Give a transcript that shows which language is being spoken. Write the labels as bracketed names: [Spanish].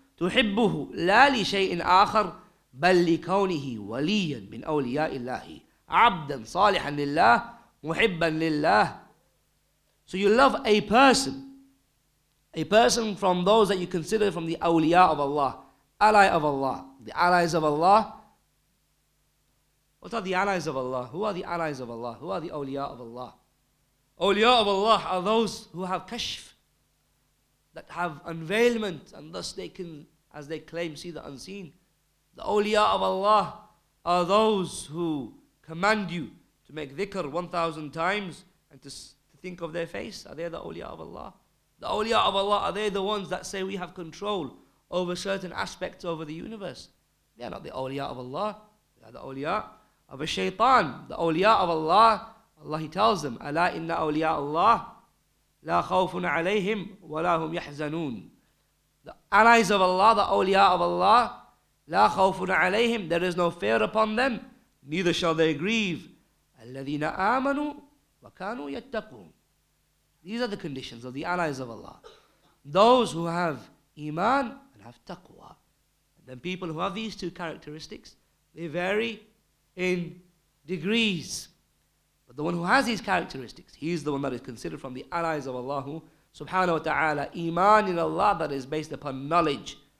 [Arabic] تحبه لا لشيء آخر بل لكونه وليا من أولياء الله عبدا صالحا لله محبا لله. [English] So you love a person from those that you consider from the أولياء of Allah, ally of Allah, the allies of Allah. What are the allies of Allah? Who are the allies of Allah? Who are the أولياء of Allah? أولياء of Allah are those who have kashf, that have unveilment, and thus they can, as they claim, see the unseen. The awliya of Allah are those who command you to make dhikr 1,000 times and to think of their face. Are they the awliya of Allah? The awliya of Allah, are they the ones that say we have control over certain aspects over the universe? They are not the awliya of Allah. They are the awliya of a shaytan. The awliya of Allah, Allah, he tells them, [Arabic] أَلَا إِنَّ أَوْلِيَاءَ اللَّهِ لَا خَوْفٌ عَلَيْهِمْ وَلَا هُمْ يَحْزَنُونَ. [English] The allies of Allah, the awliya of Allah, [Arabic] لا خوفٌ عليهم, [English] there is no fear upon them, neither shall they grieve. [Arabic] الذين آمنوا وكانوا يتقون. [English] These are the conditions of the allies of Allah. Those who have iman and have taqwa. And then people who have these two characteristics, they vary in degrees. But the one who has these characteristics, he is the one that is considered from the allies of Allah subhanahu wa ta'ala, iman in Allah that is based upon knowledge.